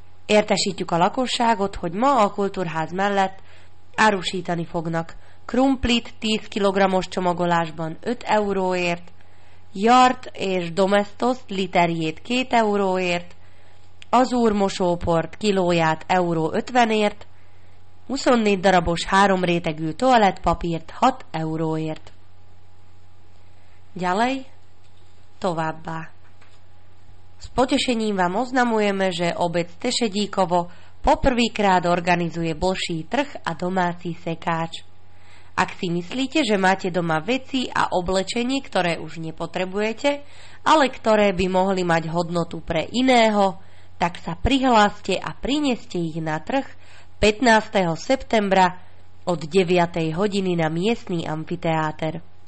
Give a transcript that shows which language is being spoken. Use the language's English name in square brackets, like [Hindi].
[Hungarian] Értesítjük a lakosságot, hogy ma a kultúrház mellett árusítani fognak krumplit 10 kg-os csomagolásban 5 euróért, jart és domestoszt literjét 2 euróért, azúr mosóport kilóját euró 50-ért, 24 darabos három rétegű toalettpapírt 6 euróért. Gyalej, továbbá. [Slovak] S potešením vám oznamujeme, že obec Tešedíkovo poprvýkrát organizuje bolší trh a domáci sekáč. Ak si myslíte, že máte doma veci a oblečenie, ktoré už nepotrebujete, ale ktoré by mohli mať hodnotu pre iného, tak sa prihláste a prineste ich na trh 15. septembra od 9. hodiny na miestny amfiteáter.